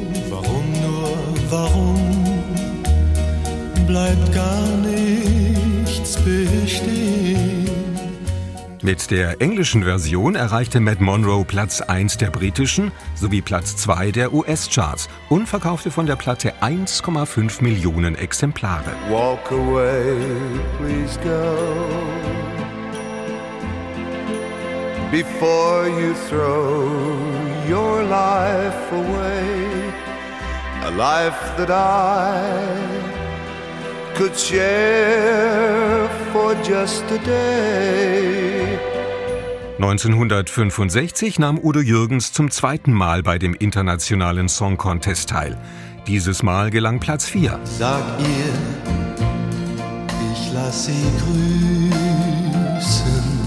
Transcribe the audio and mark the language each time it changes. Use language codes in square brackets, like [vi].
[de] Warum nur, warum bleibt gar nichts bestehen? Mit der englischen Version erreichte Matt Monroe Platz 1 der britischen sowie Platz 2 der US-Charts und verkaufte von der Platte 1,5 Millionen Exemplare. [en] Walk away, please go, before you throw your life away. A life that I could share for just a day. [de] 1965 nahm Udo Jürgens zum zweiten Mal bei dem internationalen Song Contest teil. Dieses Mal gelang Platz 4. Sag ihr, ich lass sie grüßen.